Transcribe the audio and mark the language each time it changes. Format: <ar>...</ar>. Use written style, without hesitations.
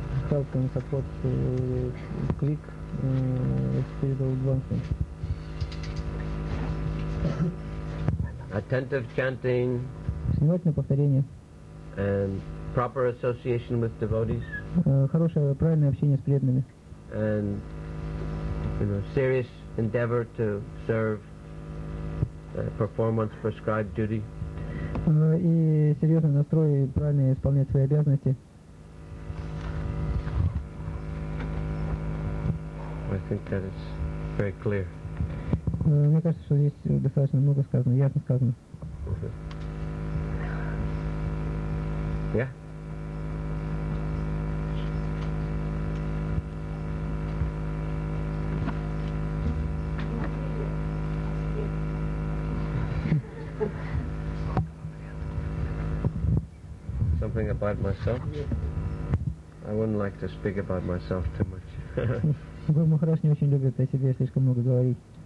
<en>Help and support to quick spiritual advancement. Attentive chanting.</en> <ru>Внимательное повторение.</ru> <en>And proper association with devotees.</en> <ru>Хорошее, правильное общение с преданными.</ru> <en>And you know, serious endeavor to serve, perform one's prescribed duty.</en> <ru>И серьезный настрой, правильно исполнять свои обязанности.</ru> <en>I think that is very clear.</en> <ru>Мне кажется, что здесь достаточно много сказано, ясно сказано.</ru> <en>Yeah. Something about myself. I wouldn't like to speak about myself too much.</en> <ru>Гуру Махарадж не очень любит о себе слишком много говорить.</ru>